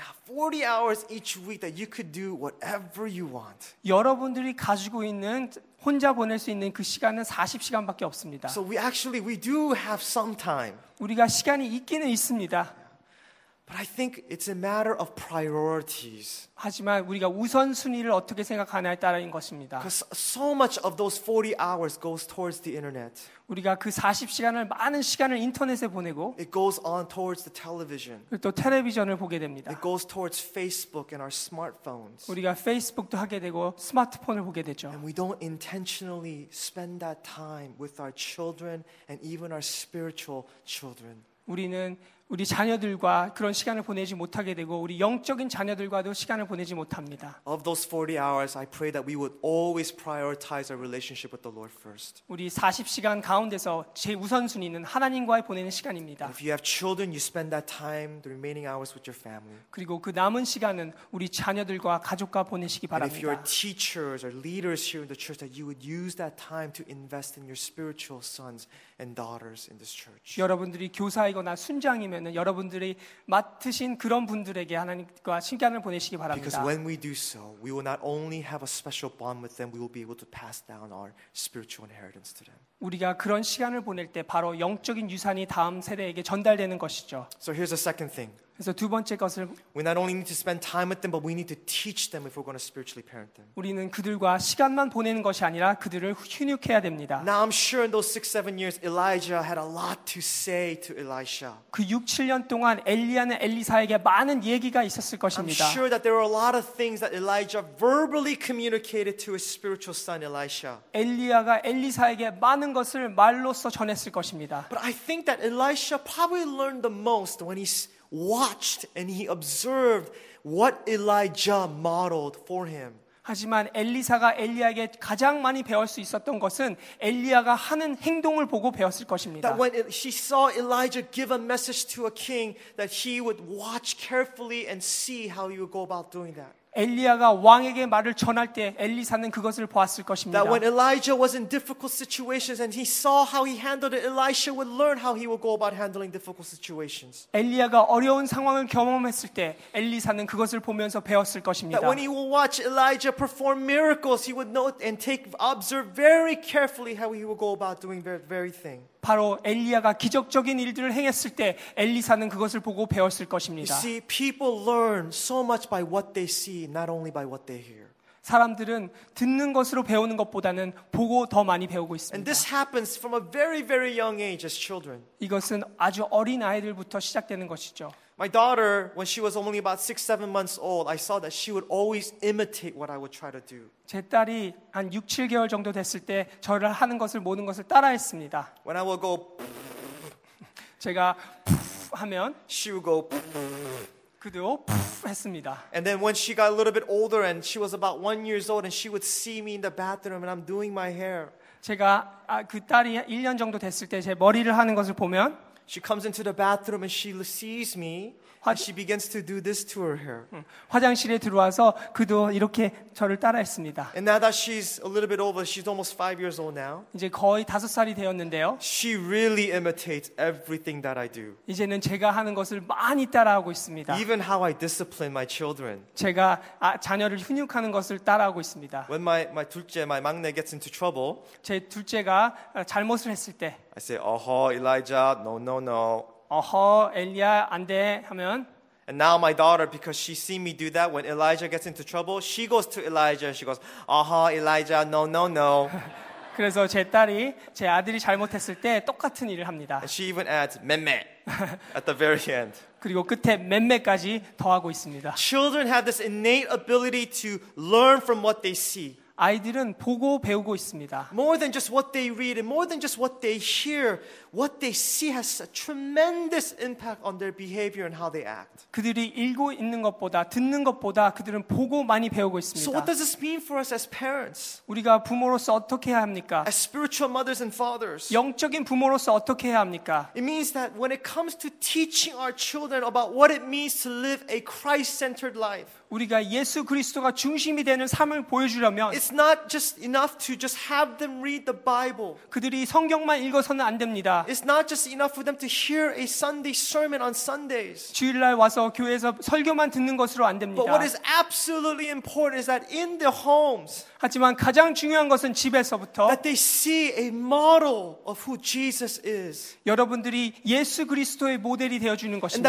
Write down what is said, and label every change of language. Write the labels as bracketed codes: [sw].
[en] 40 hours each week that you could do whatever you want. [ko] 여러분들이 가지고 있는 혼자 보낼 수 있는 그 시간은 40시간밖에 없습니다. [en] So we do have some time. [ko] 우리가 시간이 있기는 있습니다. [en] But I think it's a matter of priorities. [ko] 하지만 우리가 우선 순위를 어떻게 생각하냐에 따라인 것입니다. [en] Because so much of those 40 hours goes towards the internet. [ko] 우리가 그 40시간을 많은 시간을 인터넷에 보내고 [en] It goes on towards the television. [ko] 또 텔레비전을 보게 됩니다. [en] It goes towards Facebook and our smartphones. [ko] 우리가 페이스북도 하게 되고 스마트폰을 보게 되죠. [en] And we don't intentionally spend that time with our children and even our spiritual children. [ko] 우리는 우리 자녀들과 그런 시간을 보내지 못하게 되고 우리 영적인 자녀들과도 시간을 보내지 못합니다. [en] Of those 40 hours, I pray that we would always prioritize our relationship with the Lord first. [ko] 우리 40시간 가운데서 제 우선순위는 하나님과의 보내는 시간입니다. [en] If you have children, you spend that time, the remaining hours with your family. [ko] 그리고 그 남은 시간은 우리 자녀들과 가족과 보내시기 바랍니다. [en] And if you are teachers or leaders here in the church, that you would use that time to invest in your spiritual sons and daughters in this church. [ko] 여러분들이 교사이거나 순장이 면은 여러분들이 맡으신 그런 분들에게 하나님과 시간을 보내시기 바랍니다. [en] Because when we do so, we will not only have a special bond with them, we will be able to pass down our spiritual inheritance to them. [ko] 우리가 그런 시간을 보낼 때 바로 영적인 유산이 다음 세대에게 전달되는 것이죠. [en] So here's the second thing. [ko] 그래서 두 번째 것을 [en] We not only need to spend time with them, but we need to teach them if we're going to spiritually parent them. [ko] 우리는 그들과 시간만 보내는 것이 아니라 그들을 훈육해야 됩니다. [en] Now I'm sure in those 6-7 years, Elijah had a lot to say to Elisha. [ko] 그 6-7년 동안 엘리야는 엘리사에게 많은 얘기가 있었을 것입니다. [en] I'm sure that there were a lot of things that Elijah verbally communicated to his spiritual son, Elisha. [ko] 엘리야가 엘리사에게 많은 것을 말로써 전했을 것입니다. [en] But I think that Elisha probably learned the most when he watched and he observed what Elijah modeled for him. [ko] 하지만 엘리사가 엘리야에게 가장 많이 배울 수 있었던 것은 엘리야가 하는 행동을 보고 배웠을 것입니다. [en] That when he saw Elijah give a message to a king, that he would watch carefully and see how he would go about doing that. [ko] 엘리야가 왕에게 말을 전할 때 엘리사는 그것을 보았을 것입니다. [en] That when Elijah was in difficult situations and he saw how he handled it, Elisha would learn how he would go about handling difficult situations. [ko] 엘리야가 어려운 상황을 경험했을 때 엘리사는 그것을 보면서 배웠을 것입니다. [en] That when he would watch Elijah perform miracles, he would note and take observe very carefully how he would go about doing that very thing. [ko] 바로 엘리야가 기적적인 일들을 행했을 때 엘리사는 그것을 보고 배웠을 것입니다. [en] You see, people learn so much by what they see, not only by what they hear. [ko] 사람들은 듣는 것으로 배우는 것보다는 보고 더 많이 배우고 있습니다. [en] And this happens from a very, very young age as children. [ko] 이것은 아주 어린 아이들부터 시작되는 것이죠. [en] My daughter, when she was only about 6-7 months old, I saw that she would always imitate what I would try to do. [ko] 제 딸이 한 6-7개월 정도 됐을 때 저를 하는 것을 모든 것을 따라했습니다. [en] When I would go [ko] 제가 하면 [en] she would go [ko] 그도 했습니다. [en] And then when she got a little bit older and she was about 1 years old and she would see me in the bathroom and I'm doing my hair. [ko] 제가 그 딸이 1년 정도 됐을 때 제 머리를 하는 것을 보면 [en] She comes into the bathroom and she sees me and she begins to do this to her hair. [ko] 화장실에 들어와서 그도 이렇게 저를 따라했습니다. [en] And now that she's a little bit older, she's almost 5 years old now. [ko] 이제 거의 다섯 살이 되었는데요. [en] She really imitates everything that I do. [ko] 이제는 제가 하는 것을 많이 따라하고 있습니다. [en] Even how I discipline my children. [ko] 제가 자녀를 훈육하는 것을 따라하고 있습니다. [en] When my [ko] 둘째, [en] my [ko] 막내 [en] gets into trouble, [ko] 제 둘째가 잘못을 했을 때 [en] I say, uh-huh, Elijah, no, no, no. [ko] Uh-huh, Elijah, 안 돼, 하면. [en] And now my daughter, because she's seen me do that, when Elijah gets into trouble, she goes to Elijah, she goes, uh-huh, Elijah, no, no, no. [ko] 그래서 제 딸이, 제 아들이 잘못했을 때 똑같은 일을 합니다. [en] And she even adds, 맴매, at the very end. [ko] 그리고 끝에 맴매까지 더하고 있습니다. [en] Children have this innate ability to learn from what they see. [ko] 아이들은 보고 배우고 있습니다. [en] More than just what they read and more than just what they hear, what they see has a tremendous impact on their behavior and how they act. [ko] 그들이 읽고 있는 것보다 듣는 것보다 그들은 보고 많이 배우고 있습니다. [en] So what does this mean for us as parents? [ko] 우리가 부모로서 어떻게 해야 합니까? [en] As spiritual mothers and fathers. [ko] 영적인 부모로서 어떻게 해야 합니까? [en] It means that when it comes to teaching our children about what it means to live a Christ-centered life. [ko] 우리가 예수 그리스도가 중심이 되는 삶을 보여주려면 [en] It's not just enough to just have them read the Bible. [ko] 그들이 성경만 읽어서는 안 됩니다. [en] It's not just enough for them to hear a Sunday sermon on Sundays. [ko] 주일날 와서 교회에서 설교만 듣는 것으로 안 됩니다. [en] But what is absolutely important is that in their homes [ko] 하지만 가장 중요한 것은 집에서부터 [en] that they see a model of who Jesus is. [ko] 여러분들이 예수 그리스도의 모델이 되어 주는 것입니다.